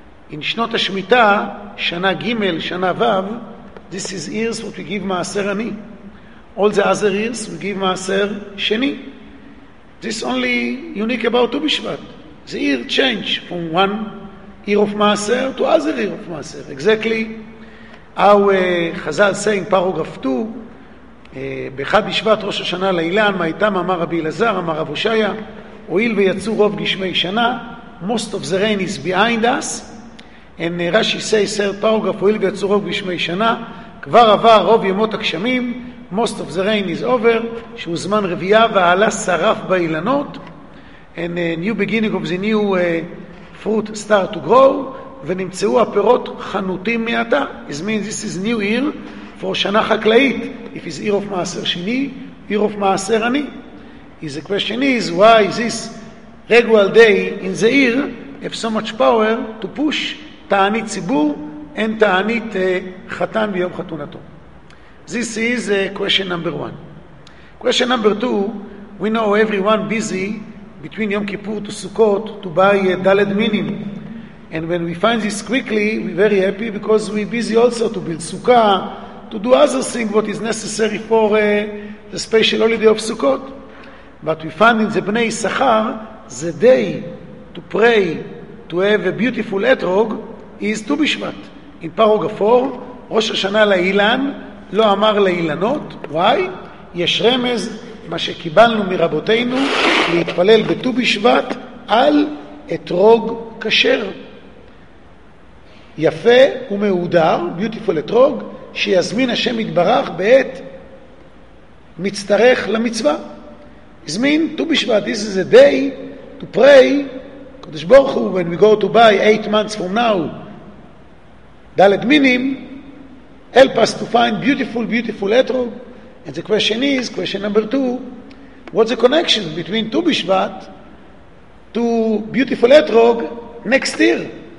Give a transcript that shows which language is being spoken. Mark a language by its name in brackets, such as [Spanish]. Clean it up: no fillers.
[English] In Shnot HaShmita, Shana Gimel, Shana Vav, this is years what we give Ma'aser Ani. All the other years we give Ma'aser Sheni. This only unique about Tu Bishvat. The year change from one year of Maaser to other year of Maaser. Exactly how Chazal saying paragraph 2 [Hebrew] בחד בשבט ראש השנה לאילן מהיתם אמר רבי אלעזר אמר רב הושעיה הועיל ויצאו רוב גשמי שנה [English] most of the rain is behind us [Hebrew] and רשי say סרט paragraph הועיל ויצאו רוב גשמי שנה כבר עבר רוב ימות הגשמים [English] most of the rain is over, [Hebrew] שהוא זמן רביעה והעלה שרף באילנות, [English] and new beginning of the new fruit start to grow, [Hebrew] ונמצאו הפירות חנותים מעתה. [English] It means this is new year for שנה חקלאית, if it's year of מעשר שני, year of מעשר אני. The question is, why is this regular day in the year have so much power to push תענית ציבור and תענית חתן ביום חתונתו? This is question number one. Question number two, we know everyone busy between Yom Kippur to Sukkot to buy Dalet Minim. And when we find this quickly, we're very happy because we're busy also to build Sukkah, to do other things what is necessary for the special holiday of Sukkot. But we find in the Bnei Yisachar, the day to pray, to have a beautiful etrog, is Tu Bishvat. In paragraph 4, Rosh Hashanah Leilan, לא אמר לאילנות, why? [Hebrew] יש רמז, מה שקיבלנו מרבותינו, להתפלל בט"ו בשבט, על אתרוג כשר. יפה ומהודר, beautiful אתרוג, שיזמין השם יתברך בעת מצטרך למצווה. [English] It means Tu Bishvat, this is a day to pray Kodesh Baruch Hu, when we go to buy 8 months from now. Dalet Minim, help us to find beautiful, beautiful etrog. And the question is, question number two, what's the connection between Tu Bishvat to beautiful etrog next year?